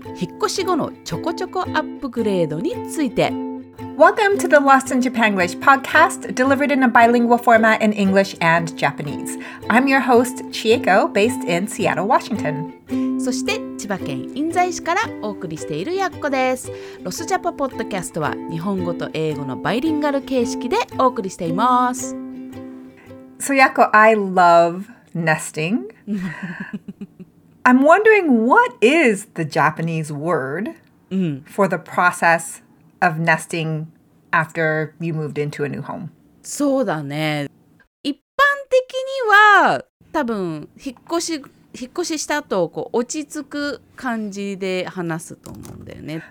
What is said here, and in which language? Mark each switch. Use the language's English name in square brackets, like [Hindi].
[Japanese] 引っ越し後のちょこちょこアップグレードについて。 [English] Welcome to the Lost in Japanglish podcast, delivered in a bilingual format in English and Japanese. I'm your host, Chieko, based in Seattle, Washington. [Japanese] そして千葉県印西市からお送りしているやっこです。ロスジャパポッドキャストは日本語と英語のバイリンガル形式でお送りしています。 [English] So, Yakko, I love nesting. I'm wondering, what is the Japanese word for the process of nesting after you moved into a new home? [Japanese] そうだね。一般的には、多分引っ越しした後、こう落ち着く感じで話すと思うんだよね。